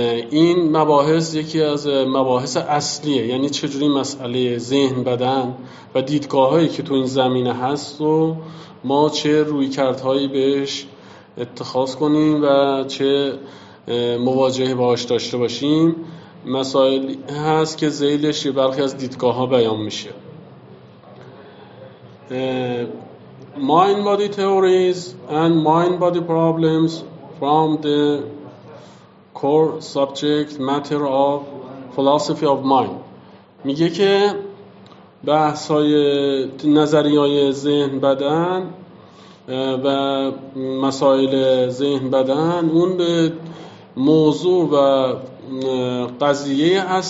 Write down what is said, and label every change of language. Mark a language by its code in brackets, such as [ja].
[fa] این مباحث یکی از مباحث اصلیه، یعنی چجوری مسئله ذهن بدن و دیدگاه هایی که تو این زمینه هست و ما چه رویکردهایی بهش اتخاذ کنیم و چه مواجهه باهاش داشته باشیم، مسائل هست که ذیلش یه برخی از دیدگاه ها بیان میشه. [en] Mind Body Theories and Mind Body Problems from the core subject matter of philosophy of mind. [fa] میگه که بحث های نظریه های ذهن بدن و مسائل ذهن بدن اون به موضوع و قضیه